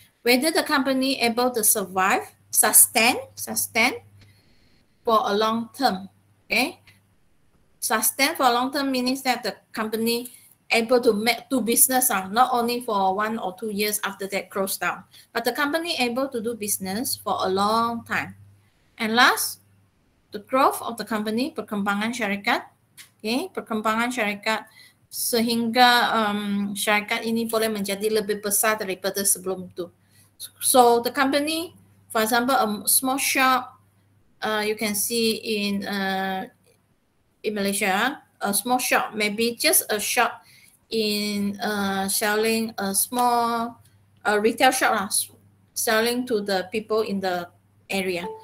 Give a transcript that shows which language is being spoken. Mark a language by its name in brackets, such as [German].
[English] Whether the company able to survive, sustain for a long term, okay? Sustain for a long term means that the company able to make do business not only for 1 or 2 years after that close down, but the company able to do business for a long time. And last, the growth of the company, [Malay] perkembangan syarikat, [English] okay? [Malay] Perkembangan syarikat sehingga syarikat ini boleh menjadi lebih besar daripada sebelum itu. [English] So the company, for example, a small shop, you can see in Malaysia, a small shop, maybe just a shop in selling a small retail shop, selling to the people in the area.